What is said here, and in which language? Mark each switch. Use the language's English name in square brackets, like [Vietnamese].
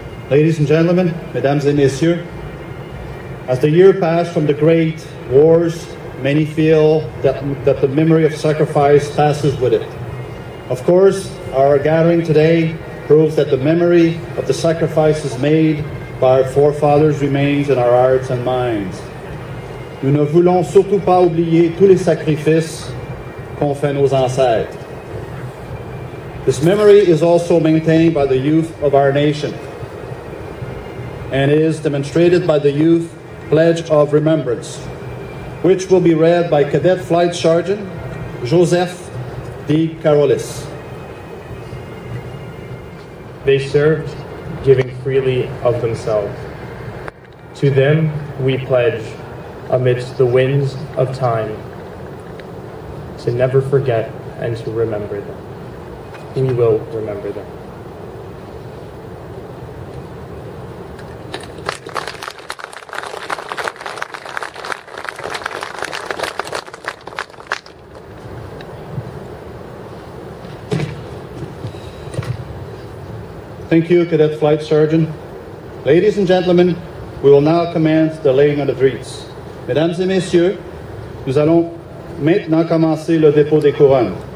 [English] Ladies and gentlemen, [French] mesdames et messieurs, [English] as the year passed from the great wars, many feel that the memory of sacrifice passes with it. Of course, our gathering today proves that the memory of the sacrifices made by our forefathers remains in our hearts and minds. [French] Nous ne voulons surtout pas oublier tous les sacrifices qu'on fait nos ancêtres. [English] This memory is also maintained by the youth of our nation and is demonstrated by the Youth Pledge of Remembrance, which will be read by Cadet Flight Sergeant Joseph De Carolis. They served, giving freely of themselves. To them we pledge, amidst the winds of time, to never forget and to remember them. We will remember them. Thank you, Cadet Flight Sergeant. Ladies and gentlemen, we will now commence the laying of the wreaths. [French] Mesdames et messieurs, nous allons maintenant commencer le dépôt des couronnes.